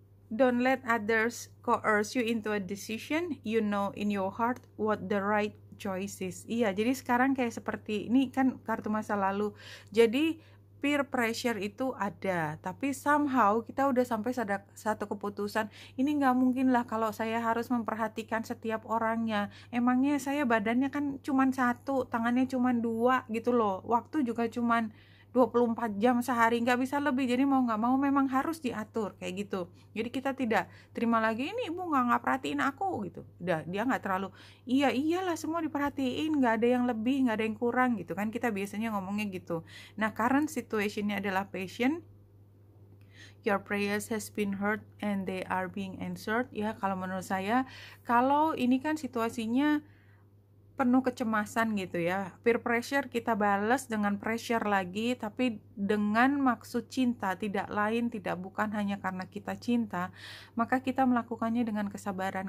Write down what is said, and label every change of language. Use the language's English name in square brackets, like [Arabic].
[English] Don't let others coerce you into a decision. You know in your heart what the right choices. [Indonesian] Iya, jadi sekarang kayak seperti ini kan kartu masa lalu. Jadi peer pressure itu ada, tapi somehow kita udah sampai satu keputusan. Ini nggak mungkin lah kalau saya harus memperhatikan setiap orangnya. Emangnya saya badannya kan cuman satu, tangannya cuman dua gitu loh. Waktu juga cuman 24 jam sehari, nggak bisa lebih. Jadi mau nggak mau memang harus diatur kayak gitu. Jadi kita tidak terima lagi, ini ibu nggak perhatiin aku gitu. Udah, dia nggak terlalu, iya iyalah semua diperhatiin, nggak ada yang lebih, nggak ada yang kurang gitu kan. Kita biasanya ngomongnya gitu. Nah, [English] current situation- [Indonesian] nya adalah patient. [English] Your prayers has been heard and they are being answered. [Indonesian] Ya, kalau menurut saya, kalau ini kan situasinya penuh kecemasan gitu ya. Peer pressure kita balas dengan pressure lagi, tapi dengan maksud cinta, tidak lain, tidak bukan hanya karena kita cinta, maka kita melakukannya dengan kesabaran.